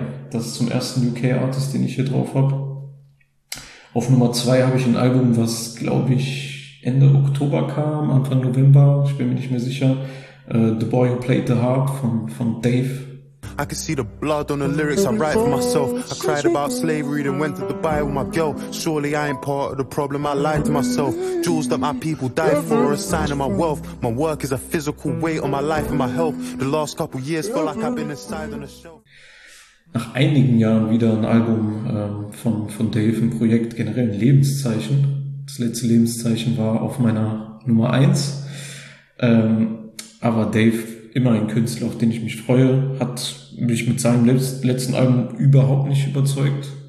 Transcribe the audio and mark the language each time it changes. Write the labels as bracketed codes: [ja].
[de] Das ist zum ersten UK-Artist, den ich hier drauf habe. Auf Nummer 2 habe ich ein Album, was, glaube ich, Ende Oktober kam, Anfang November, ich bin mir nicht mehr sicher. [en] The Boy Who Played the Harp von Dave. I can see the blood on the lyrics I write for myself. I cried about slavery, then went to Dubai with my girl. Surely I ain't part of the problem, I lied to myself. Jewels that my people die for are a sign of my wealth. My work is a physical weight on my life and my health. The last couple years feel like I've been inside on a shelf. [de] Nach einigen Jahren wieder ein Album von Dave, im Projekt, generell ein Lebenszeichen. Das letzte Lebenszeichen war auf meiner Nummer 1. Aber Dave, immer ein Künstler, auf den ich mich freue, hat mich mit seinem letzten Album überhaupt nicht überzeugt.